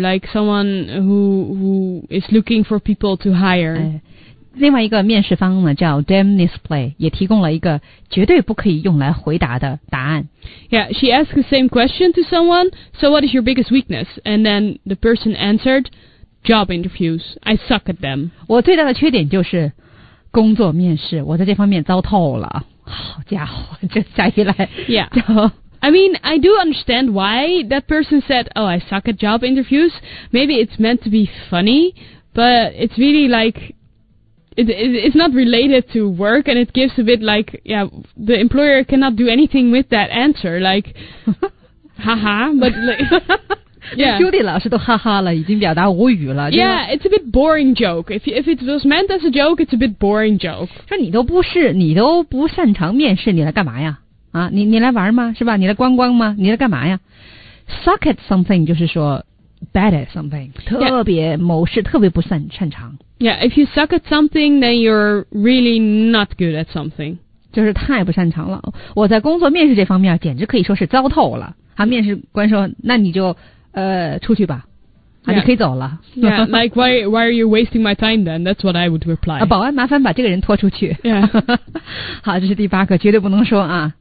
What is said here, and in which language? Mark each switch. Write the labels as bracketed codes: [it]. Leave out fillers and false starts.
[en] Like someone who is looking for people to hire. [zh] 另外一个面试方呢叫 Damnis Play 也提供了一个绝对不可以用来回答的答案 [en] Yeah, she asked the same question to someone So what is your biggest weakness? And then the person answered Job interviews, I suck at them [zh] 我最大的缺点就是工作面试我在这方面糟透了好家伙这下一来 [en] Yeah I mean, I do understand why that person said Oh, I suck at job interviews Maybe it's meant to be funny But it's really likeIt's not related to work, and it gives a bit like, yeah, the employer cannot do anything with that answer, like, haha, but like, yeah. [zh] 朱迪老师都哈哈了，已经表达无语了。 [en] Yeah, it's a bit boring joke. If it was meant as a joke, it's a bit boring joke. [zh] 说你都不擅长面试，你来干嘛呀？啊，你来玩吗？是吧？你来观光吗？你来干嘛呀 ？ [en] Suck at something [zh] 就是说 [en] bad at something， [zh] 特别某事、 [en] yeah. [zh] 特别不擅长。 [en] Yeah, if you suck at something, then you're really not good at something. [zh] 就是太不擅长了。我在工作面试这方面简直可以说是糟透了。啊，面试官说，那你就出去吧。啊，你可以走了。 [en] Yeah, like why are you wasting my time then? That's what I would reply. [zh] 保安麻烦把这个人拖出去。 [en] Yeah. [zh] 好，这是第八个，绝对不能说啊。